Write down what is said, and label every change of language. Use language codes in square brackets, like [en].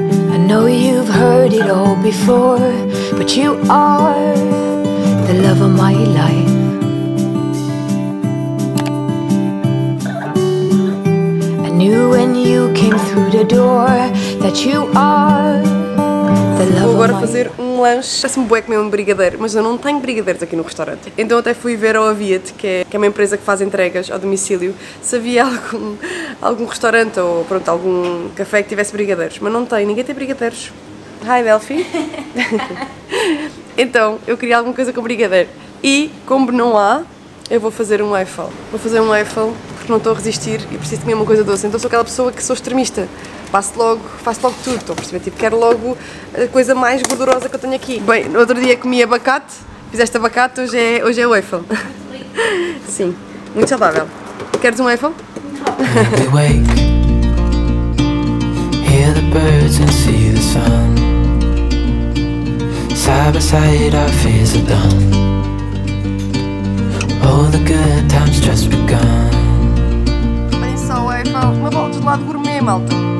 [en] Heard it all before, but you are the love of my life. I knew when you came through the door that you are the love of my life. [pt] Lanche, parece-me bué comer um brigadeiro, mas eu não tenho brigadeiros aqui no restaurante. Então até fui ver ao Aviat, que é uma empresa que faz entregas ao domicílio, se havia algum restaurante ou pronto, algum café que tivesse brigadeiros, mas não tem, ninguém tem brigadeiros. Hi Delphi! Então, eu queria alguma coisa com brigadeiro e, como não há, eu vou fazer um Eiffel. Vou fazer um Eiffel porque não estou a resistir e preciso comer uma coisa doce. Então sou aquela pessoa que sou extremista. Passo logo, faço logo tudo, estou a perceber, tipo, quero logo a coisa mais gordurosa que eu tenho aqui. Bem, no outro dia comi abacate, fizeste abacate, hoje é o Eiffel. Sim, muito saudável. Queres um Eiffel? Não. [en] We wake, hear the birds and see the sun. Side by side our fears are done. All the good times just begun. [pt] Olha só o Eiffel, uma bola de gelado gourmet, malta.